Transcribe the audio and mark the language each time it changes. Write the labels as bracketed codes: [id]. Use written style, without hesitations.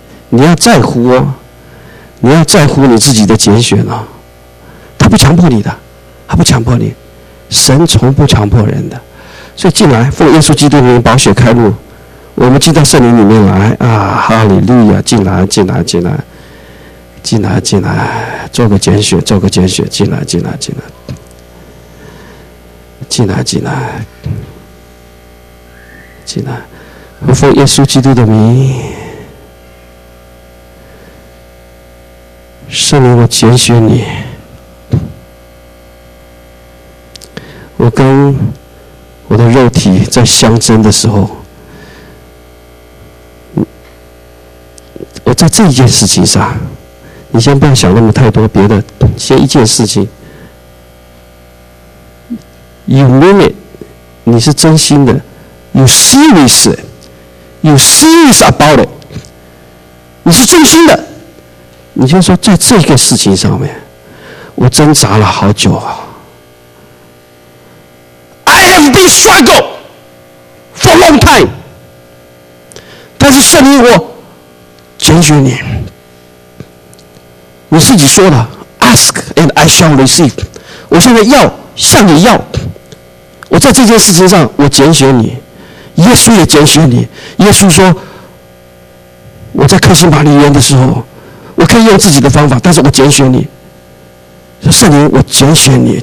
[zh] 你要在乎哦，你要在乎你自己的拣选哦。他不强迫你的，他不强迫你，神从不强迫人的。所以进来，奉耶稣基督的名，宝血开路，我们进到圣灵里面来啊！哈利路亚！进来，进来，进来，进来，进来，做个拣选，做个拣选，进来，进来，进来，进来，进来，进来。我奉耶稣基督的名，圣灵，我拣选你，我跟我的肉体在相争的时候，我在这一件事情上，你先不要想那么太多别的，先一件事情 [en] You mean it， [zh] 你是真心的， [en] You serious about it， [zh] 你是真心的。你先说在这个事情上面我挣扎了好久啊， [en] struggle for long time， [zh] 但是圣灵，我拣选你。你自己说的 ， [en] Ask and I shall receive。 [zh] 我现在要向你要，我在这件事情上我拣选你，耶稣也拣选你。耶稣说，我在克西马尼园的时候，我可以用自己的方法，但是我拣选你，圣灵，我拣选你。